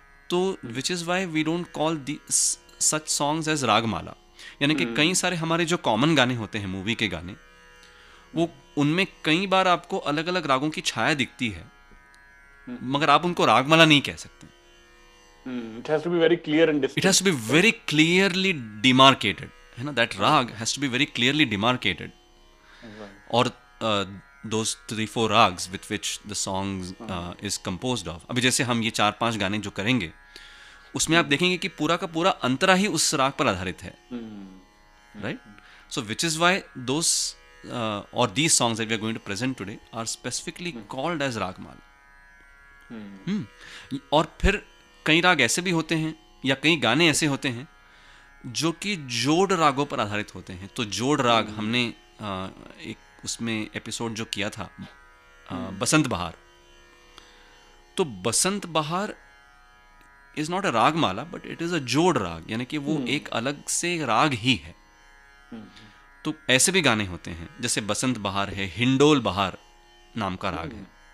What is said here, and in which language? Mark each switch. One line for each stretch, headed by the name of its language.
Hindi: तो
English: which is why we don't call such songs as ragamala
Hindi: यानी कि कई सारे हमारे जो कॉमन गाने होते हैं मूवी के गाने वो उनमें कई बार आपको अलग अलग रागों की छाया दिखती है मगर आप उनको रागमाला नहीं कह सकते
English: It has to be very clear and distinct. It has to be very clearly demarcated. That raag has to be very clearly demarcated. Or those three, four raags with which the song is composed of.
Hindi: अभी जैसे हम ये चार पांच गाने जो करेंगे, उसमें आप देखेंगे कि पूरा का पूरा अंतरा ही उस राग पर आधारित है.
English: Right? So which is why these songs that we are going to present today are specifically called as raagmala.
Hindi: और फिर कई राग ऐसे भी होते हैं या कई गाने ऐसे होते हैं जो कि जोड़ रागों पर आधारित होते हैं तो जोड़ राग हमने एक उसमें एपिसोड जो किया था बसंत बहार तो बसंत बहार
English: is not a ragamala but it is a
Hindi: जोड़ राग यानी कि वो एक अलग से राग ही है तो ऐसे भी गाने होते हैं जैसे बसंत बहार है हिंडोल बहार नाम का राग है